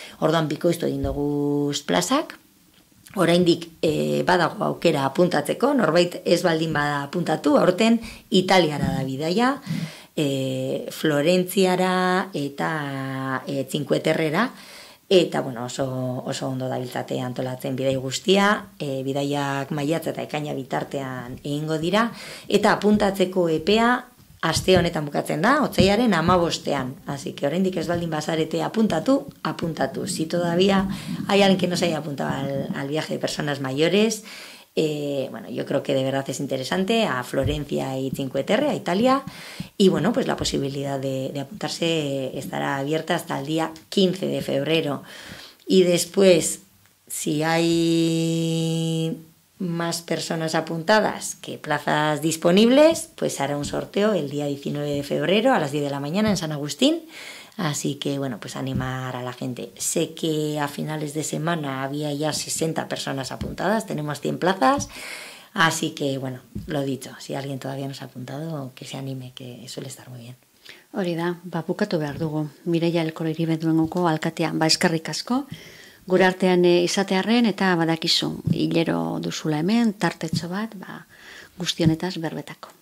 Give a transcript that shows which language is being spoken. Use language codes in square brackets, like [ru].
[eu] Orduan bikoiztu egin dugu plazak, oraindik badago aukera apuntatzeko, norbait ez baldin bada apuntatu, aurten Italiara da bidaia, Florentziara eta Cinque Terrera, eta bueno, oso ondo dabiltzate antolatzen bidai guztia, bidaiak maiatza eta ekaina bitartean egingo dira, eta apuntatzeko epea aste honetan bukatzen da, otzaiaren 15. [es] Así que [eu] oraindik ez baldin bazarete apuntatu. [es] Si todavía hay alguien que no se haya apuntado al viaje de personas mayores, bueno, yo creo que de verdad es interesante, a Florencia y Cinque Terre, a Italia, y bueno, pues la posibilidad de apuntarse estará abierta hasta el día 15 de febrero. Y después, si hay más personas apuntadas que plazas disponibles, pues hará un sorteo el día 19 de febrero a las 10 de la mañana en San Agustín. Así que, bueno, pues animar a la gente. Sé que a finales de semana había ya 60 personas apuntadas, tenemos 100 plazas. Así que, bueno, lo dicho, si alguien todavía no se ha apuntado, que se anime, que suele estar muy bien. [eu] Hori da, ba, bukatu behar dugu. Mireia Elkoriri Beduengoko alkatean, ba, eskerrik asko. Gure artean izatearen eta badakizu, hilero duzula hemen, tartetxo bat, ba, guztionetaz berbetako.